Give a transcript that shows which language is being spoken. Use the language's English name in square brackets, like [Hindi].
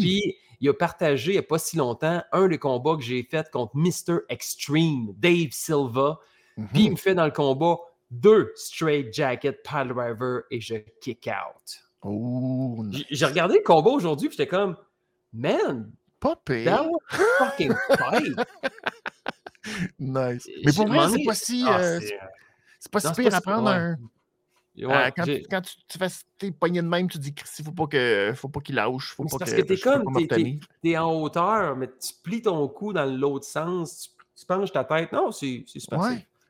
[French] Puis, il a partagé, il n'y a pas si longtemps, un des combats que j'ai fait contre Mr. Extreme, Dave Silva. Mm-hmm. Puis, il me fait dans le combat deux straight jacket pile driver et je kick out. [English] Ooh, nice. [French] J'ai regardé le combat aujourd'hui puis j'étais comme, man, Poppy. [English] That was a fucking fight. Nice. [French] Mais pour moi, c'est pas si... C'est pas si pire à prendre quand tu fais tes poignées de même, tu dis Chris, faut pas qu'il lâche. Faut pas parce que t'es comme t'es en hauteur, mais tu plies ton cou dans l'autre sens, tu penches ta tête. Non, c'est super. Ouais.